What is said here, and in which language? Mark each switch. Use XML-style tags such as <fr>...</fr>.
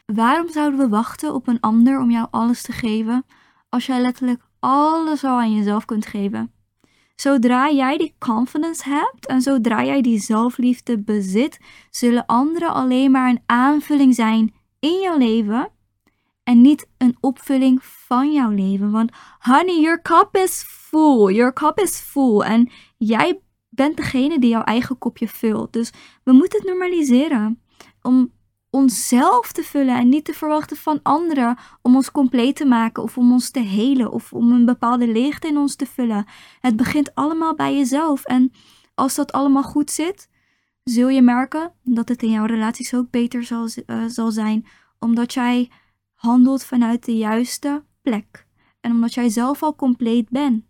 <nl>Waarom zouden we wachten op een ander om jou alles te geven, als jij letterlijk alles al aan jezelf kunt geven? Zodra jij die confidence hebt en zodra jij die zelfliefde bezit, zullen anderen alleen maar een aanvulling zijn in jouw leven en niet een opvulling van jouw leven.</nl> <en>Want honey, your cup is full. Your cup is full.</en> <nl>En jij bent degene die jouw eigen kopje vult. Dus we moeten het normaliseren om onszelf te vullen en niet te verwachten van anderen om ons compleet te maken of om ons te helen of om een bepaalde leegte in ons te vullen. Het begint allemaal bij jezelf en als dat allemaal goed zit, zul je merken dat het in jouw relaties ook beter zal zijn, omdat jij handelt vanuit de juiste plek en omdat jij zelf al compleet bent.</nl>